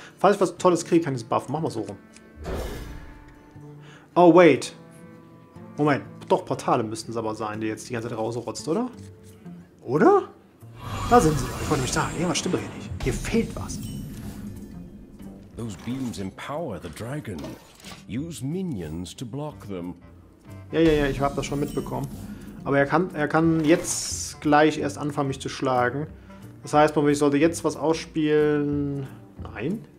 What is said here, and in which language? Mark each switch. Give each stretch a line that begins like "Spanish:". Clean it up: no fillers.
German: Falls ich was Tolles kriege, kann ich es buffen. Mach mal so rum.
English: Oh, wait.
German: Moment. Doch, Portale müssten es aber sein, die jetzt die ganze Zeit rausrotzt, oder? Oder? Da sind sie. Ich wollte nämlich sagen, irgendwas stimmt doch hier nicht. Hier fehlt was.
English: Those beams empower the dragon. Use minions to block them.
German: Ja, ich habe das schon mitbekommen. Aber er kann jetzt gleich erst anfangen, mich zu schlagen. Das heißt, ich sollte jetzt was ausspielen. Nein.